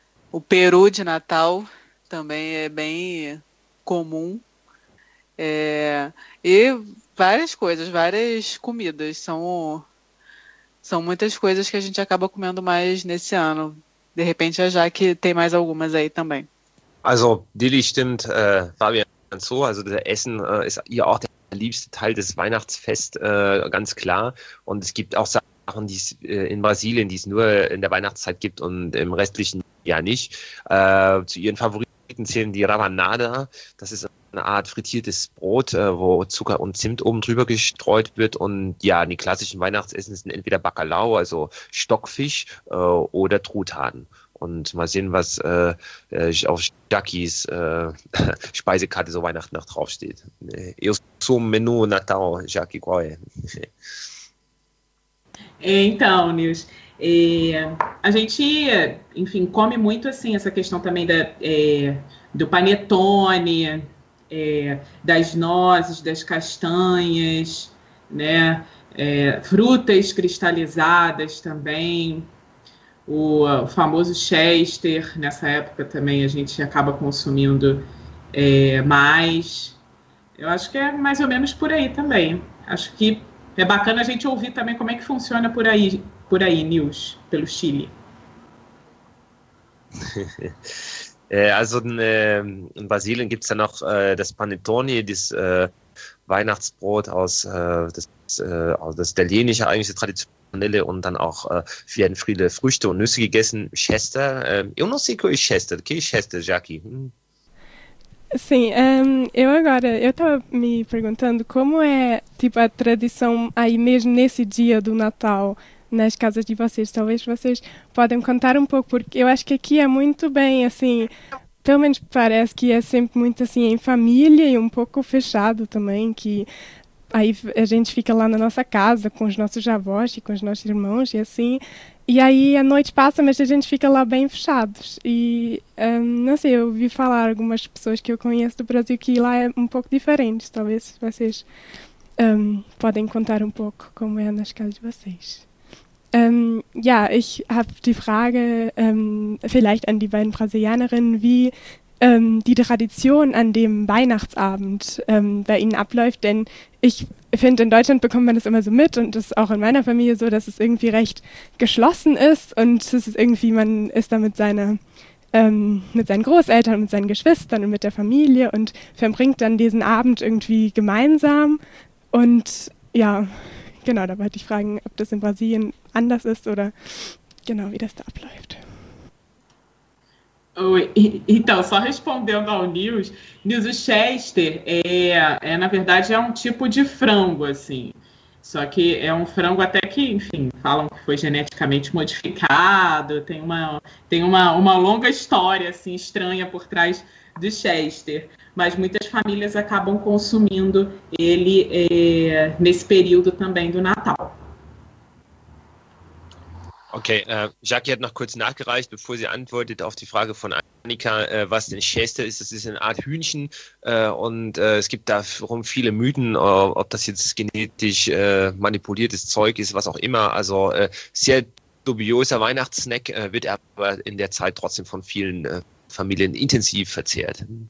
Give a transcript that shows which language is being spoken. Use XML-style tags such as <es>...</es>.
<pt>O peru de Natal também é bem comum. E várias coisas, várias comidas. São muitas coisas que a gente acaba comendo mais nesse ano. De repente, já que tem mais algumas aí também.</pt> <de>Also, Dili stimmt, Fabian, so. Also, das Essen ist ihr auch der liebste Teil des Weihnachtsfests, ganz klar. Und es gibt auch Sachen, die es in Brasilien, die es nur in der Weihnachtszeit gibt und im restlichen Jahr nicht. Zu ihren Favoriten zählen die Rabanada. Das ist eine Art frittiertes Brot, wo Zucker und Zimt oben drüber gestreut wird. Und ja, die klassischen Weihnachtsessen sind entweder Bacalhau, also Stockfisch, oder Truthahn. Und mal sehen, was auf Jackies Speisekarte so Weihnachten noch draufsteht.</de> <pt>Eu sou menu Natal, Jackie, qual é? Então, Nils, a gente, enfim, come muito assim essa questão também do panetone, das nozes, das castanhas, né? Frutas cristalizadas também, o famoso Chester, nessa época também a gente acaba consumindo mais. Eu acho que é mais ou menos por aí também. Acho que é bacana a gente ouvir também como é que funciona por aí, Nils, pelo Chile.</pt> <de>Also in Brasilien gibt es dann noch das Panettone, das Weihnachtsbrot aus das italienische, eigentlich das traditionelle, und dann auch werden viele Früchte und Nüsse gegessen.</de> <pt>Chester, eu não sei o que é Chester, Jackie? Sim, eu agora, eu estava me perguntando como é tipo a tradição aí mesmo nesse dia do Natal nas casas de vocês. Talvez vocês podem contar um pouco, porque eu acho que aqui é muito bem, assim, pelo menos parece que é sempre muito assim em família e um pouco fechado também, que aí a gente fica lá na nossa casa com os nossos avós e com os nossos irmãos e assim, e aí a noite passa, mas a gente fica lá bem fechados. E não sei, eu ouvi falar algumas pessoas que eu conheço do Brasil que lá é um pouco diferente. Talvez vocês podem contar um pouco como é nas casas de vocês.</pt> <de>Ja, ich habe die Frage vielleicht an die beiden Brasilianerinnen, wie die Tradition an dem Weihnachtsabend bei Ihnen abläuft. Denn ich ich finde, in Deutschland bekommt man das immer so mit und das ist auch in meiner Familie so, dass es irgendwie recht geschlossen ist und es ist irgendwie, man ist da mit seinen Großeltern, mit seinen Geschwistern und mit der Familie und verbringt dann diesen Abend irgendwie gemeinsam. Und ja, genau, da wollte ich fragen, ob das in Brasilien anders ist oder genau, wie das da abläuft.</de> <pt>Então, só respondendo ao Nils, Nils, o Chester é, na verdade, é um tipo de frango, assim. Só que é um frango até que, enfim, falam que foi geneticamente modificado, tem uma longa história, assim, estranha por trás do Chester. Mas muitas famílias acabam consumindo ele nesse período também do Natal.</pt> <de>Okay, Jackie hat noch kurz nachgereicht, bevor sie antwortet auf die Frage von Annika, was denn Chester ist. Das ist eine Art Hühnchen und es gibt darum viele Mythen, ob das jetzt genetisch manipuliertes Zeug ist, was auch immer. Also sehr dubioser Weihnachtssnack wird aber in der Zeit trotzdem von vielen Familien intensiv verzehrt.</de>